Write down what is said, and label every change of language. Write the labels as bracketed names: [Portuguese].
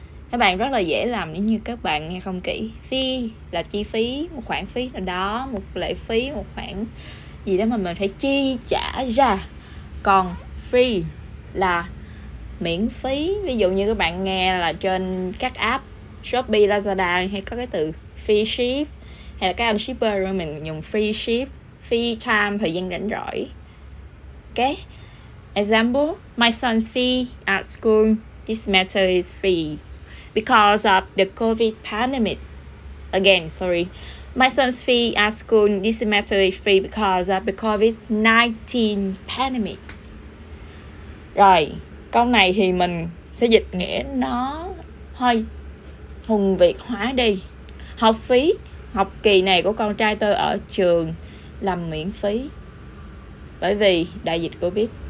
[Vietnamese] Các bạn rất là dễ làm nếu như các bạn nghe không kỹ. Fee là chi phí, một khoản phí nào đó, một lệ phí, một khoản gì đó mà mình phải chi trả ra. Còn free là miễn phí. Ví dụ như các bạn nghe là trên các app Shopee, Lazada hay có cái từ free ship, hay là các anh shipper rồi mình dùng free ship, free time, thời gian rảnh rỗi. Ok. [English] Example: My son's fee at school this matter is free because of the COVID pandemic. Again, sorry. My son's fee at school this semester is free because of the COVID-19 pandemic. [Vietnamese] Rồi, câu này thì mình sẽ dịch nghĩa nó hơi hùng Việt hóa đi. Học phí, học kỳ này của con trai tôi ở trường làm miễn phí bởi vì đại dịch COVID.